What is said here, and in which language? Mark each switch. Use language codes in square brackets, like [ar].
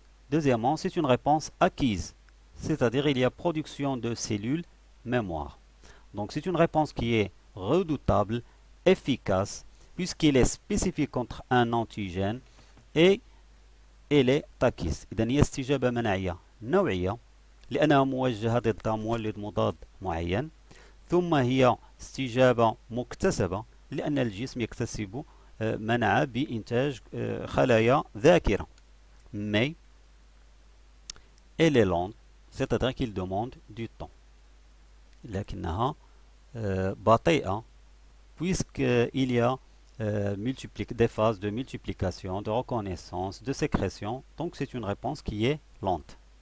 [fr] Deuxièmement, c'est une réponse acquise, c'est-à-dire il y a production de cellules mémoire. Donc, c'est une réponse qui est redoutable, efficace, puisqu'il est spécifique contre un antigène et elle est acquise. [ar] إذن هي استجابة مناعية نوعية لأنها موجهة ضد مولد مضاد معين. ثم هي استجابة مكتسبة لأن الجسم يكتسب مناعة بإنتاج خلايا ذاكرة. [fr] مي Elle est lente, c'est-à-dire qu'il demande du temps. [ar] Lakinaha bata'a, [fr] puisqu'il y a des phases de multiplication, de reconnaissance, de sécrétion, donc c'est une réponse qui est lente.